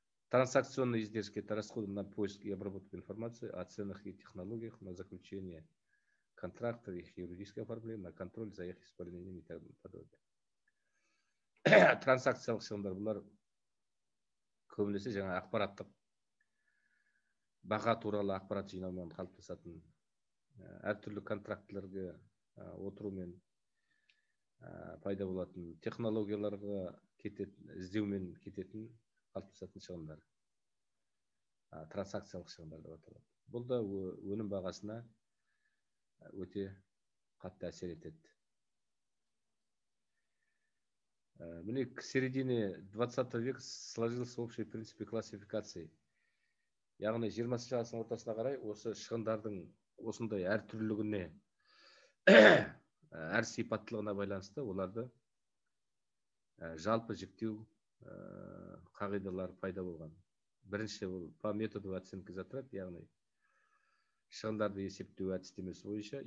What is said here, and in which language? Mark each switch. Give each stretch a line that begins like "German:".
Russian: Транзакционные издержки — это расходы на поиск и обработку информации о ценах и технологиях, на заключение контрактов, их юридическое оформление, на контроль за их исполнением и так далее.
Kazakh: Транзакциялық шығындар бұлар көбінесе жаңа ақпараттық баға туралы ақпарат жинаумен қалыптасатын, әртүрлі контрактілерге отырумен пайда болатын, технологияларға кететін, іздеумен кететін қалыптасатын шығындар. Транзакциялық шығындар деп аталады. Бұл да өнім бағасына өте қатты әсер етеді.
Russian: Міне, к середине 20 век сложился общий принцип классификации.
Kazakh: Яғни 20 ғасырдың ортасына қарай осы шығындардың осындай әртүрлілігіне, әр сипаттылығына байланысты оларды жалпы жіктеу қағидалары пайда болған. Бірінші бұл по методу оценки затрат, яғни шығындарды есептеу әдістемесі бойынша.